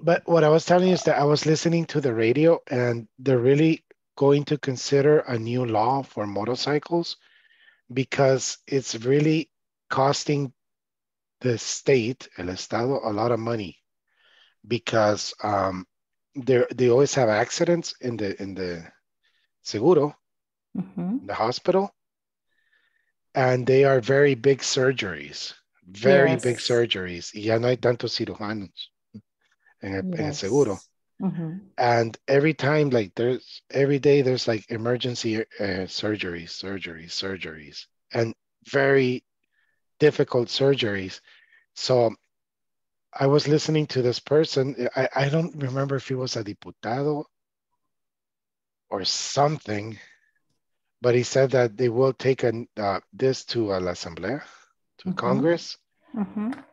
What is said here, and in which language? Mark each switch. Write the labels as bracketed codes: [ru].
[en] but what I was telling you is that I was listening to the radio and they're really going to consider a new law for motorcycles because it's really costing the state, [es] el estado, [en] a lot of money because they always have accidents in the seguro, mm-hmm. in the hospital, and they are very big surgeries. Very yes. big surgeries. [es] Ya no hay tantos cirujanos en el seguro. Mm-hmm. [en] And every time, like every day there's like emergency surgeries, and very difficult surgeries. So I was listening to this person. I don't remember if he was a diputado or something, but he said that they will take this to [es] la Asamblea, [en] to mm-hmm. Congress. Mm-hmm.